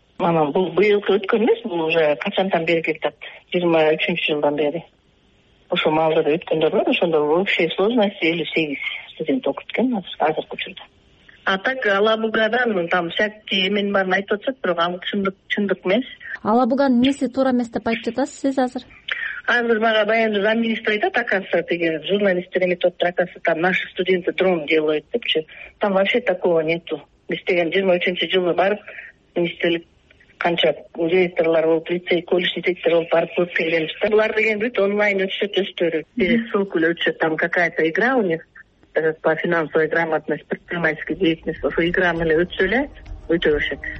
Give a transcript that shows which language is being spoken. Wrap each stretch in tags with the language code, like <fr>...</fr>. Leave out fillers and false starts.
<ky>Анан бул быйылкы өткөн эмес, бул уже качантан бери кетип 23 жылдан бери. Ошо маалда өткөндөр бар, ошондо</ky> <ru>общий сложности</ru> <ky>58 студент окуткан азыркы учурда. А так Ала Бугадан</ky> <ru>там всякие</ru> <ky>эмени барын айтып атышат, бирок ал чындык эмес. Ала Буганын эмнеси туура эмес деп айтып жатасыз сиз азыр? Азыр мага баягы замминистр айтат, оказывается, тиги журналисттер эми туруп турат, оказывается,</ky> <ru>там наши студенты дрон делают</ru> <ky>депчи.</ky> <ru>Там вообще такого нету.</ru> <ky>Биз деген 23 жылы барып министрлик канча директорлор болуп, лицей, колледж директору болуп барып көрүп келгенбиз да. Булар деген бүт онлайн өтүшөт өздөрү. Ссылкүлө өтүшөт,</ky> <ru>там какая то игра у них по финансовой грамотности, предпринимательской деятельности, игра</ru> <ky>менен өтсө эле өтөшөт.</ky>